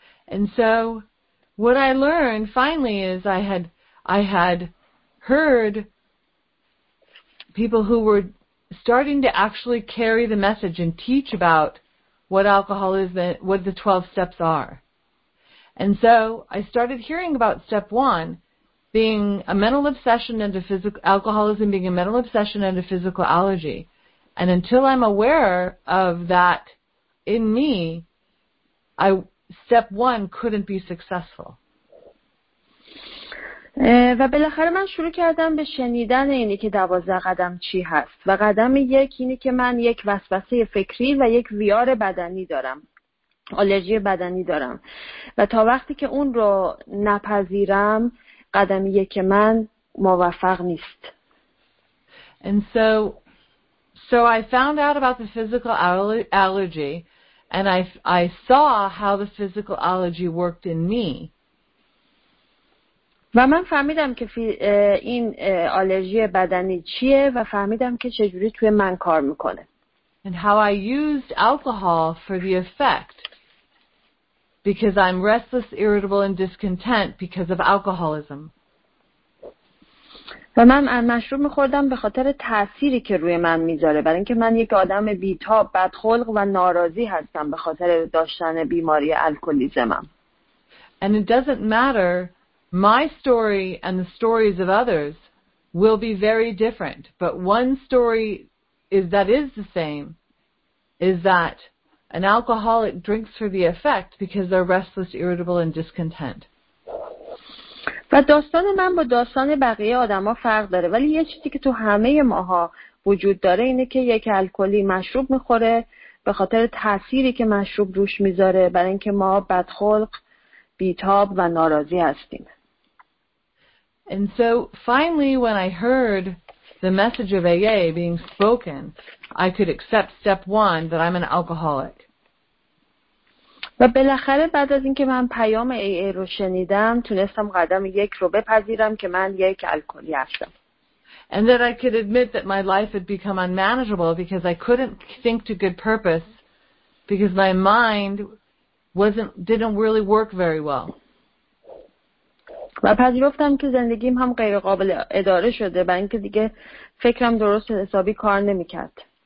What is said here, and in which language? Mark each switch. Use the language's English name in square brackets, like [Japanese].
[English] And so what I learned finally is I had heard people who were starting to actually carry the message and teach about what alcoholism, what the 12 steps are. And so I started hearing about step one, being a mental obsession and a physical alcoholism being a mental obsession and a physical allergy. And until I'm aware of that in me, step one couldn't be successful. [Persian] و بالاخره من شروع کردم به شنیدن اینی که 12 قدم چی هست و قدم یک اینی که من یک وسوسه فکری و یک ویار بدنی دارم، آلرژی بدنی دارم و تا وقتی که اون رو نپذیرم قدم یک من موفق نیست. [English] And so I found out about the physical allergy and I saw how the physical allergy worked in me. [Persian] و من فهمیدم که این آلرژی بدنی چیه و فهمیدم که چجوری توی من کار میکنه. [English] And how I used alcohol for the effect because I'm restless, irritable and discontent because of alcoholism. [Persian] و من مشروب میخوردم به خاطر تأثیری که روی من میذاره، برای اینکه من یک آدم بیتاب، بدخلق و ناراضی هستم به خاطر داشتن بیماری الکلیزمم. [English] And it doesn't matter, my story and the stories of others will be very different, but one story is the same is that an alcoholic drinks for the effect because they're restless, irritable and discontent. [Persian] و داستان من با داستان بقیه آدما فرق داره، ولی یه چیزی که تو همه ماها وجود داره اینه که یک الکلی مشروب میخوره به خاطر تأثیری که مشروب روش میذاره، برای اینکه ما بدخلق، بیتاب و ناراضی هستیم. [English] And so finally when I heard the message of AA being spoken, I could accept step one that I'm an alcoholic. [Persian] و بالاخره بعد از اینکه من پیام AA رو شنیدم تونستم قدم یک رو بپذیرم که من یک الکلی هستم. [English] And that I could admit that my life had become unmanageable because I couldn't think to good purpose because my mind didn't really work very well. [Persian] و پذیرفتم که زندگیم هم غیر قابل اداره شده، برای اینکه دیگه فکرم درست حسابی کار نمی‌کرد.